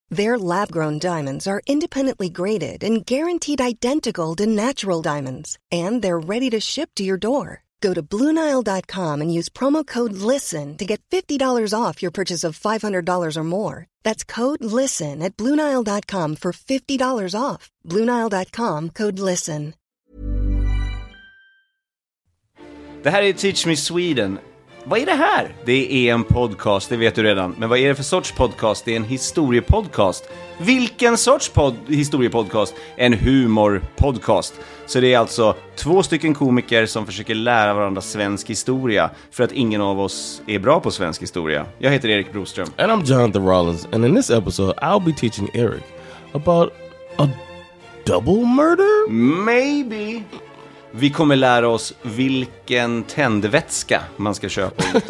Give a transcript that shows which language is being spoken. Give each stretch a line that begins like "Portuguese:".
English: Their lab-grown diamonds are independently graded and guaranteed identical to natural diamonds, and they're ready to ship to your door. Go to BlueNile.com and use promo code LISTEN to get $50 off your purchase of $500 or more. That's code LISTEN at BlueNile.com for $50 off. BlueNile.com, code LISTEN.
Swedish: Det här är Teach Me Sweden. Vad är det här? Det är en podcast, det vet du redan. Men vad är det för sorts podcast? Det är en historiepodcast. Vilken sorts historiepodcast? En humorpodcast. Så det är alltså två stycken komiker som försöker lära varandra svensk historia. För att ingen av oss är bra på svensk historia. Jag heter Erik Broström.
English: And I'm Jonathan Rollins. And in this episode I'll be teaching Eric about a double murder? Maybe.
Swedish: Vi kommer lära oss vilken tändvätska man ska köpa.